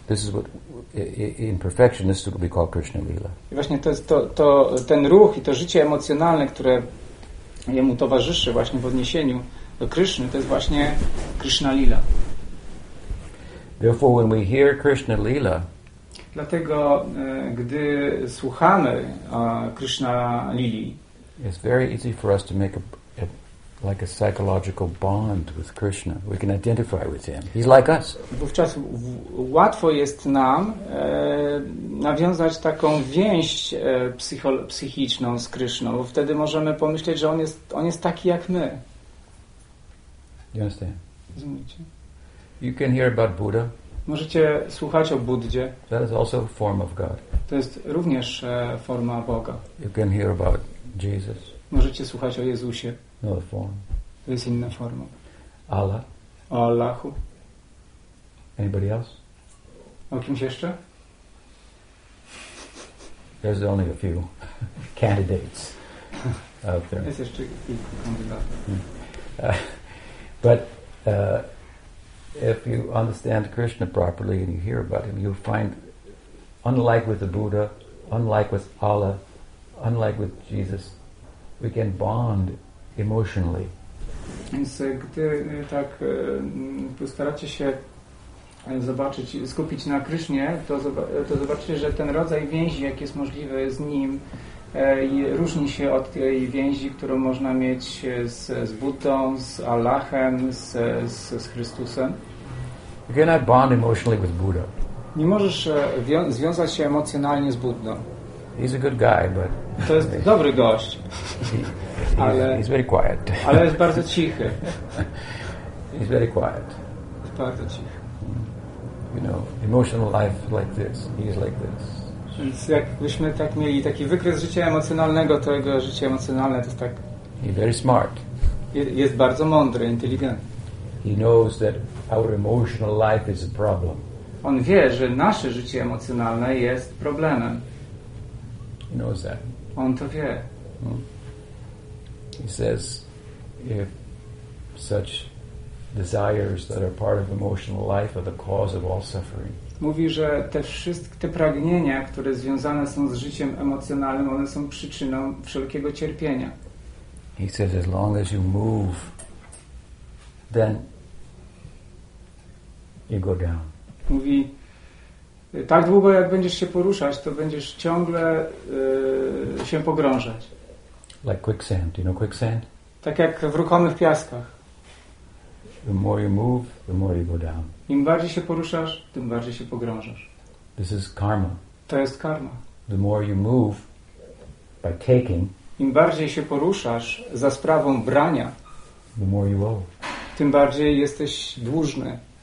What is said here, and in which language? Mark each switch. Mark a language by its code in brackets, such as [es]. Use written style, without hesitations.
[en] This is what, in perfection, this is what we call Krishna Lila. [pl] I właśnie to jest to ten ruch i to życie emocjonalne, które jemu towarzyszy właśnie w odniesieniu do Kryszny, to jest właśnie Krishna Lila. [en] Therefore, when we hear Krishna Lila, [pl] dlatego gdy słuchamy Krishna Lili, [en] it's very easy for us to make a psychological bond with Krishna. We can identify with him. He's like us. [pl] Wówczas łatwo jest nam nawiązać taką więź psychiczną z Krishną. Wtedy możemy pomyśleć, że on jest taki jak my. [en] You understand? [pl] Rozumiecie? [en] You can hear about Buddha. [pl] Możecie słuchać o Buddzie. [en] That is also a form of God. [pl] To jest również forma Boga. [en] You can hear about Jesus. [pl] Możecie słuchać o Jezusie. [en] Another form. [pl] To jest inna forma. [en] Allah. [pl] O Allahu. [en] Anybody else? [pl] O kimś jeszcze? [en] There's only a few candidates out there. [pl] Jest jeszcze kilku kandydatów. [en] But if you understand Krishna properly and you hear about him, you'll find, unlike with the Buddha, unlike with Allah, unlike with Jesus, we can bond emotionally. [pl] Więc gdy tak postaracie się zobaczyć, skupić na Krysznie, to zobaczycie, że ten rodzaj więzi, jaki jest możliwy z nim, różni się od tej więzi, którą można mieć z Buddą, z Allahem, z Chrystusem. [en] You cannot bond emotionally with Buddha. [pl] Nie możesz związać się emocjonalnie z Buddą. [en] He's a good guy, but [pl] to jest dobry gość. [en] He's very quiet. [pl] Ale jest bardzo cichy. [en] He's very quiet. [pl] Jest bardzo cichy. [en] You know, emotional life like this. He's like this. [pl] Więc jakbyśmy tak mieli taki wykres życia emocjonalnego, to jego życie emocjonalne to jest tak. [en] He's very smart. [pl] Jest bardzo mądry, inteligentny. [en] He knows that our emotional life is a problem. [pl] On wie, że nasze życie emocjonalne jest problemem. [en] He knows that. [pl] On to wie. [en] He says, if such desires that are part of emotional life are the cause of all suffering. [pl] Mówi, że te wszystkie te pragnienia, które związane są z życiem emocjonalnym, one są przyczyną wszelkiego cierpienia. [en] He says, as long as you move, then you go down. [pl] Mówi, tak długo jak będziesz się poruszać, to będziesz ciągle się pogrążać. [en] Like quicksand, you know quicksand? [pl] Tak jak w ruchomych piaskach. [en] The more you move, the more you go down. [pl] Im bardziej się poruszasz, tym bardziej się pogrążasz. [en] This is karma. [pl] To jest karma. [en] The more you move by taking, [pl] im bardziej się poruszasz za sprawą brania, [en] the more you owe. [pl] Tym bardziej jesteś dłużny.